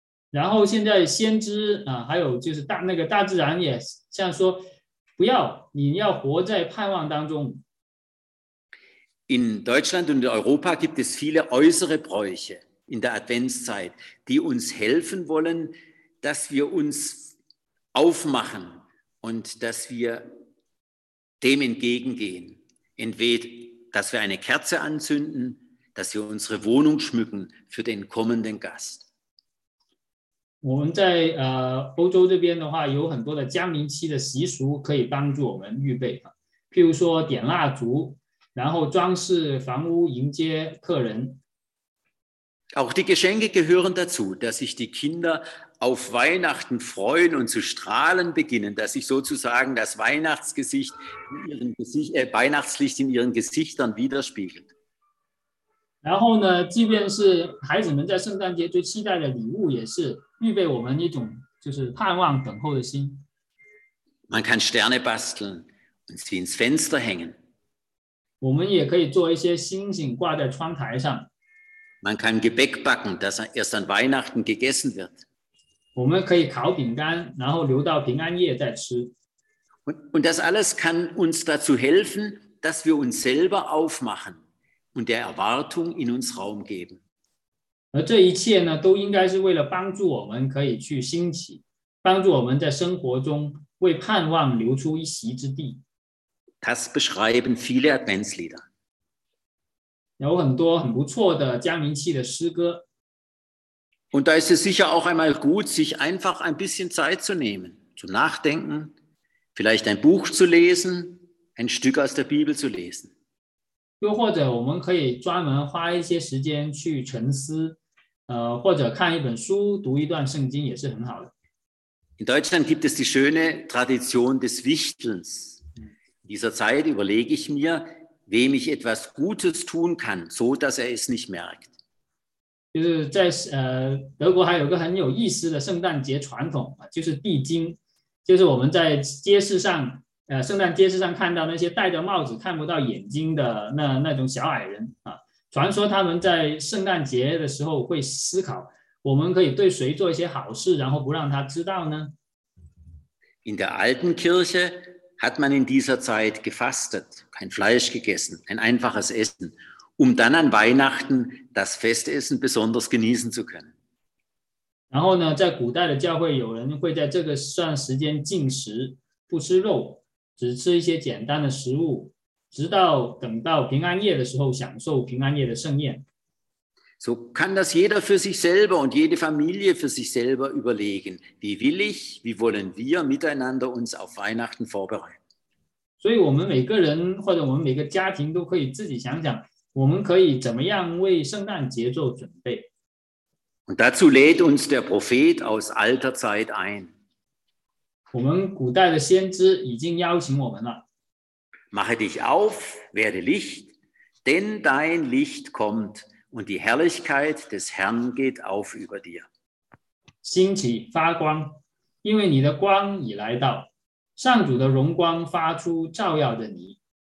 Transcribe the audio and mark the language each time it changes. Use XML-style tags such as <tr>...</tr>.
<zh>然后现在先知还有就是大自然也像说不要，你要活在盼望当中。</zh> <de>In Deutschland und in Europa gibt es viele äußere Bräuche in der Adventszeit, die uns helfen wollen, dass wir uns aufmachen und dass wir dem entgegengehen. Entweder, dass wir eine Kerze anzünden, dass wir unsere Wohnung schmücken für den kommenden Gast.</de> <zh>我们在欧洲这边的话，有很多的降临期的习俗可以帮助我们预备，譬如说点蜡烛。然后装饰房屋迎接客人。</zh> <de>Auch die Geschenke gehören dazu, dass sich die Kinder auf Weihnachten freuen und zu strahlen beginnen, dass sich sozusagen das Weihnachtsgesicht in ihren Weihnachtslicht in ihren Gesichtern widerspiegelt.</de> <zh>然后呢，即便是孩子们在圣诞节最期待的礼物，也是预备我们一种就是盼望等候的心。</zh> <de>Man kann Sterne basteln und sie ins Fenster hängen.</de> <zh>我们也可以做一些星星挂在窗台上。</zh> <de>Man kann Gebäck backen, das erst an Weihnachten gegessen wird.</de> <zh>我们可以烤饼干，然后留到平安夜再吃。</zh> <de>Und das alles kann uns dazu helfen, dass wir uns selber aufmachen und der Erwartung in uns Raum geben.</de> <zh>而这一切呢，都应该是为了帮助我们可以去兴起，帮助我们在生活中为盼望留出一席之地。</zh> <de>Das beschreiben viele Adventslieder.</de> <zh>有很多很不错的降临期的诗歌。</zh> <de>Und da ist es sicher auch einmal gut, sich einfach ein bisschen Zeit zu nehmen, zu nachdenken, vielleicht ein Buch zu lesen, ein Stück aus der Bibel zu lesen.</de> <zh>又或者我们可以专门花一些时间去沉思，或者看一本书，读一段圣经也是很好的。</zh> <de>In Deutschland gibt es die schöne Tradition des Wichtelns. In dieser Zeit überlege ich mir, wem ich etwas Gutes tun kann, so dass er es nicht merkt.</de> <zh>就是在德国还有个很有意思的圣诞节传统，就是地精，就是我们在街市上，圣诞街市上看到那些戴着帽子看不到眼睛的那种小矮人，传说他们在圣诞节的时候会思考，我们可以对谁做一些好事，然后不让他知道呢？</zh> <de>In der alten Kirche hat man in dieser Zeit gefastet, kein Fleisch gegessen, ein einfaches Essen, um dann an Weihnachten das Festessen besonders genießen zu können.</de> <zh>然后呢，在古代的教会，有人会在这个段时间禁食，不吃肉，只吃一些简单的食物，直到等到平安夜的时候，享受平安夜的盛宴。</zh> <de>So kann das jeder für sich selber und jede Familie für sich selber überlegen. Wie will ich, wie wollen wir miteinander uns auf Weihnachten vorbereiten?</de> <zh>所以我们每个人或者我们每个家庭都可以自己想想，我们可以怎么样为圣诞节做准备。</zh> <de>Und dazu lädt uns der Prophet aus alter Zeit ein.</de> <zh>我们古代的先知已经邀请我们了。</zh> <de>Mache dich auf, werde Licht, denn dein Licht kommt. Und die Herrlichkeit des Herrn geht auf über dir.</de> <zh>兴起发光，因为你的光已来到，上主的荣光发出照耀着你。</zh>